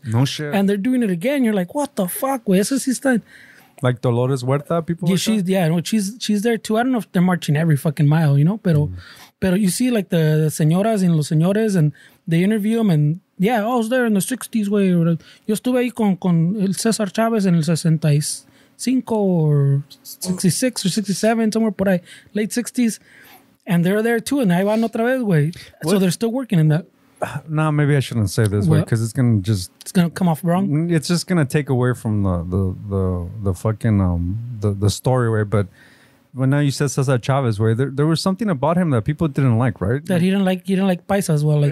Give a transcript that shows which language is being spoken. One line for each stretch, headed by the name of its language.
English: No shit. And they're doing it again. You're like, what the fuck, güey?
Spanish: Eso sí está.
English: Like Dolores Huerta people? Yeah, she's there too. I don't know if they're marching every fucking mile, you know?
Spanish: Pero, pero
English: you see like the señoras and los señores, and they interview them and... Yeah, I was there in the 60s, güey.
Spanish: Yo estuve ahí con el César Chávez en el 65 or 66 or 67, somewhere por ahí,
English: late 60s. And they're there too, and
Spanish: ahí van otra vez, güey.
English: So they're still working in that. Nah, maybe I shouldn't say this, way because it's going to just... It's going to come off wrong? It's just going to take away from the fucking the story, way, but... Well, now you said Cesar Chavez, where there was something about him that people didn't like, right? That he didn't like paisa as well. Like,